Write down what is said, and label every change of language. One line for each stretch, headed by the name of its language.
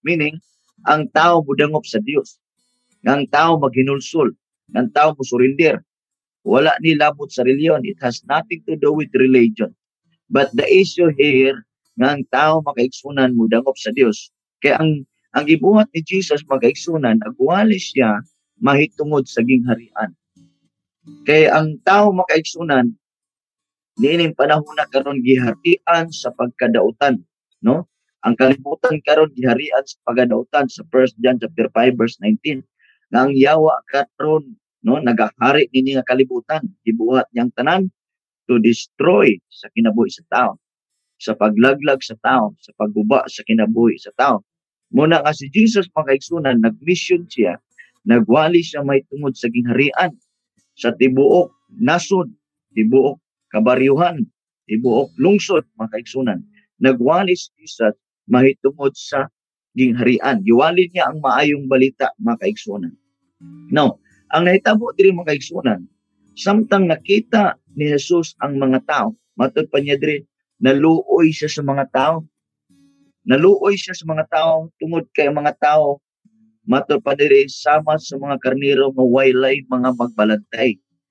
Cebuano: Meaning, ang tao budangop sa Dios. Nga ang tao maghinulsul. Ng tao mo surrender. Wala ni labot sa reliyon.
English: It has nothing to do with religion. But the issue here,
Cebuano: ng ang tao makaigsunan mo dangop sa Dios. Kaya ang ibuhat ni Jesus makaigsunan, nagwali siya mahitungod sa gingharian. Kaya ang tao makaigsunan, niining panahon na karon giharian sa pagkadautan. No? Ang kalimutan karon giharian sa pagkadautan sa 1 John chapter 5 verse 19. Nang yawa katron, no, nagahari nini nga kalibutan, ibuhat niyang tanan
English: to destroy
Cebuano: sa kinabuhi sa tao, sa paglaglag sa tao, sa pagguba sa kinabuhi sa tao. Muna nga si Jesus makaigsunan, nagmission siya, nagwali siya may tungod sa gingharian, sa tibuok nasod, tibuok kabaryuhan, tibuok lungsod, makaigsunan. Nagwali si Jesus may tungod sa gingharian. Giwali niya ang maayong balita, mga kaigsunan. Now, ang nahitabo diri mga kaigsunan, samtang nakita ni Jesus ang mga tao, matod pa niya diri, naluoy siya sa mga tao. Naluoy siya sa mga tao, tungod kay mga tao, matod pa diri, sama sa mga karniro, mga wailay, mga magbalantay.